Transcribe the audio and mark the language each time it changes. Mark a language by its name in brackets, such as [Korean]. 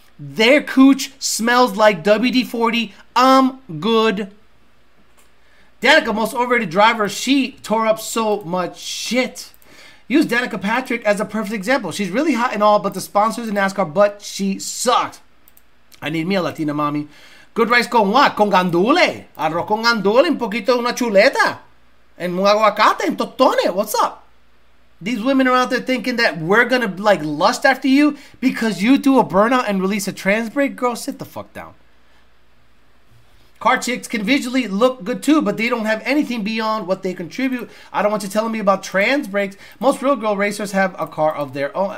[English] Their cooch smells like WD-40. I'm good. Danica, most overrated driver. She tore up so much shit. Use Danica Patrick as a perfect example. She's really hot and all, but the sponsors in NASCAR, but she sucked. I need me a Latina mommy. Good rice con what? [Spanish] Con gandule. Arroz con gandule, un poquito una chuleta. [English] And un aguacate, and totone. What's up? These women are out there thinking that we're going to, like, lust after you because you do a burnout and release a trans break? Girl, sit the fuck down. Car chicks can visually look good too, but they don't have anything beyond what they contribute. I don't want you telling me about trans breaks. Most real girl racers have a car of their own.